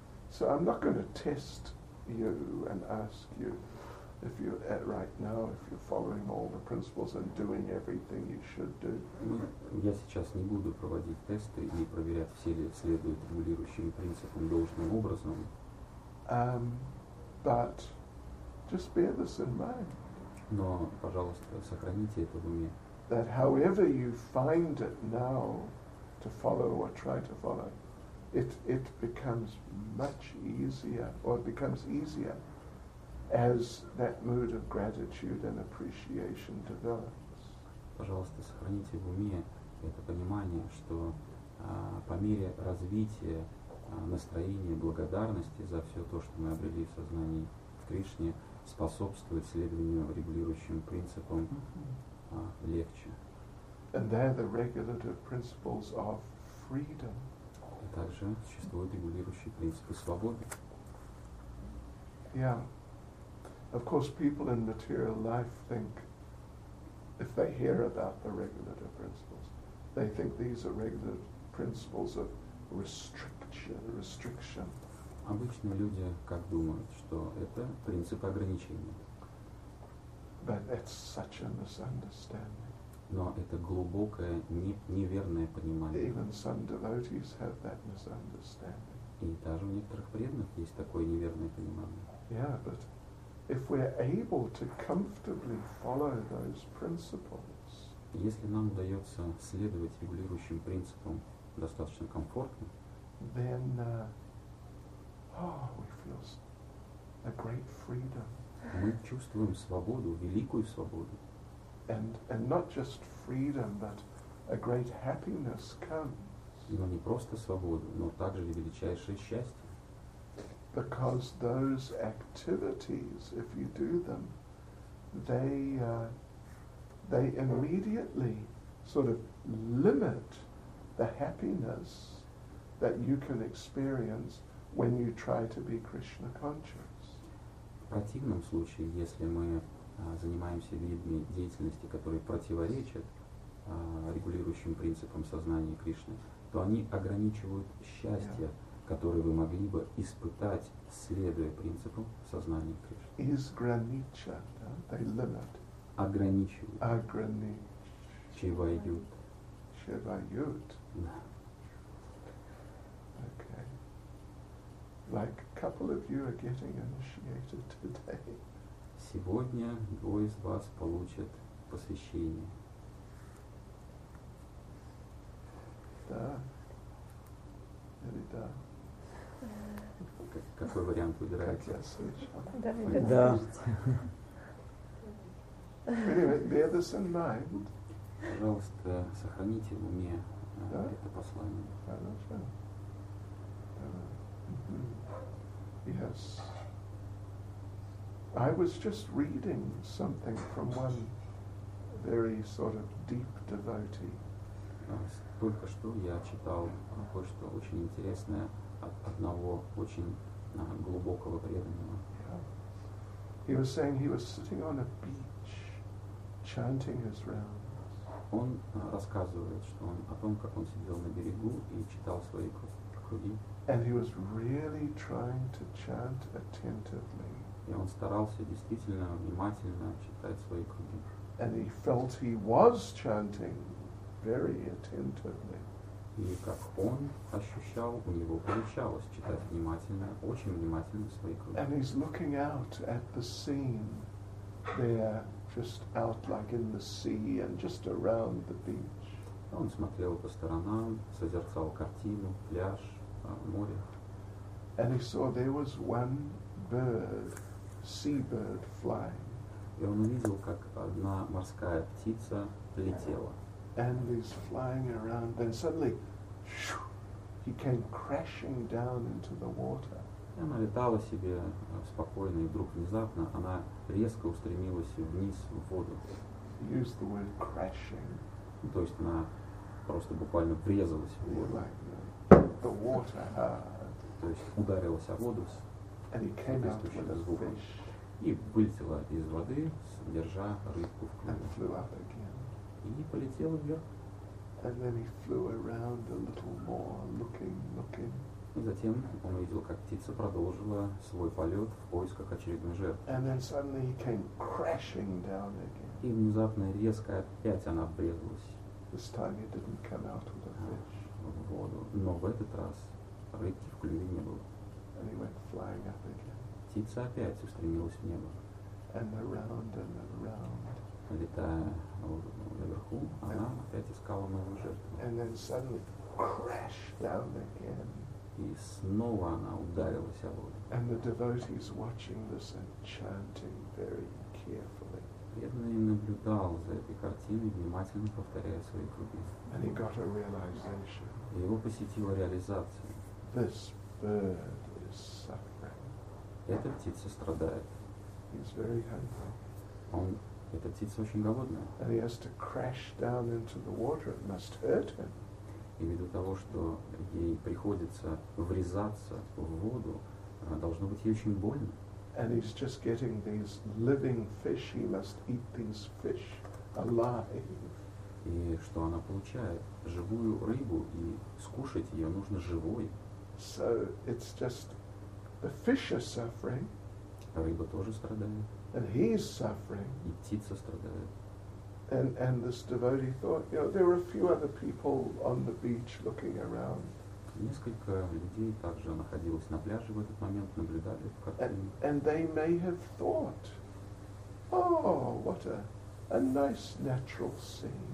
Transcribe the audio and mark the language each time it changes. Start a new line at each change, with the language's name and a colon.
English: So I'm not going to test you and ask you if you're at right now, if you're following all the principles and doing everything you should do.
Russian: Я сейчас не буду проводить тесты и проверять, все ли следуют регулирующим принципам должным образом.
English: But just bear this in mind.
Russian: Но, пожалуйста, сохраните это в уме.
English: That however you find it now. To follow or try to follow, it becomes much easier, or it becomes easier as that mood of gratitude and appreciation develops.
Russian: Пожалуйста, сохраните в уме это понимание, что по мере развития настроения благодарности за все то, что мы обрели в сознании в Кришне, способствует следованию регулирующим принципам легче.
English: And there the regulative principles of freedom.
Russian: И также существуют регулирующие принципы свободы.
English: Yeah. Of course, people in material life think, if they hear about the regulative principles, they think these are regulative principles of restriction.
Russian: Обычно люди как думают, что это принципы ограничения.
English: But that's such a misunderstanding.
Russian: Но это глубокое, неверное понимание.
English: Even some devotees have that misunderstanding.
Russian: И даже у некоторых преданных есть такое неверное понимание.
English: Yeah, but if we're able to comfortably follow those principles,
Russian: если нам удается следовать регулирующим принципам достаточно комфортно,
English: then we feel a great freedom.
Russian: Мы чувствуем свободу, великую свободу.
English: And not just freedom, but a great happiness comes.
Russian: Но не просто свобода, но также и величайшее счастье.
English: Because those activities, if you do them, they immediately sort of limit the happiness that you can experience when you try to be Krishna conscious.
Russian: В противном случае, если мы занимаемся видами деятельности, которые противоречат регулирующим принципам сознания Кришны, то они ограничивают счастье, которое вы могли бы испытать, следуя принципам сознания Кришны. Изгранича, да?
English: They limit.
Russian: Ограничивают. Огранич. Чивают. Чивают. Да.
English: Okay. Like a couple of you are getting initiated today.
Russian: Сегодня двое из вас получат посвящение. Да. Или да. Какой вариант выбираете? Как я слышал. Да. Вы да.
English: Anyway, bear this in mind.
Russian: Пожалуйста, сохраните в уме это послание. Хорошо.
English: Yes. I was just reading something from one very sort of deep devotee.
Russian: Только что я читал кое-что очень интересное от одного очень глубокого преданного.
English: He was saying he was sitting on a beach, chanting his rounds.
Russian: Он рассказывает, что он о том, как он сидел на берегу и читал свои круги.
English: And he was really trying to chant attentively.
Russian: И он старался действительно внимательно читать свои круги.
English: And he felt he was chanting very attentively.
Russian: И как он ощущал, у него получалось читать внимательно, очень внимательно свои круги.
English: And he's looking out at the scene there, just out like in the sea and just around the beach.
Russian: Он смотрел по сторонам, созерцал картину, пляж, море.
English: And he saw there was one bird, seabird flying.
Russian: И он увидел, как одна морская птица летела.
English: And he's flying around, then suddenly he came crashing down into the water.
Russian: И она летала себе спокойно, и вдруг внезапно она резко устремилась вниз в воду.
English: Use the word crashing.
Russian: Ну, то есть она просто буквально врезалась в воду.
English: Like the water hard.
Russian: То есть ударилась о воду с приступающим звуком. И вылетела из воды, держа рыбку в клюве. И полетела вверх.
English: And then he flew around a little more, looking.
Russian: И затем он увидел, как птица продолжила свой полет в поисках очередной жертвы.
English: And then suddenly he came crashing down again.
Russian: И внезапно резко опять она обрезалась.
English: This time he didn't come out with a fish.
Russian: В воду. Но в этот раз рыбки в клюве не было.
English: And he went flying up again.
Russian: Птица опять устремилась в небо.
English: And around and around.
Russian: Летая наверху, она опять искала новую жертву.
English: And then suddenly crash down again.
Russian: И снова она ударилась о воду.
English: And the devotees watching this and chanting very carefully.
Russian: Преданный наблюдал за этой картиной, внимательно повторяя свои круги.
English: And he got a realization.
Russian: И его посетила реализация.
English: This bird is suffering.
Russian: Эта птица страдает.
English: He's very hungry.
Russian: Он, эта птица очень голодная.
English: And he has to crash down into the water. It must hurt him.
Russian: И ввиду того, что ей приходится врезаться в воду, должно быть ей очень больно.
English: And he's just getting these living fish. He must eat these fish alive.
Russian: И что она получает? Живую рыбу, и скушать ее нужно живой.
English: So it's just the fish are suffering.
Russian: Рыба тоже страдает.
English: And he's suffering.
Russian: И птица страдает.
English: And this devotee thought, you know, there were a few other people on the beach looking around.
Russian: Несколько людей также находилось на пляже в этот момент, наблюдали эту картину.
English: And they may have thought, oh, what a nice natural scene.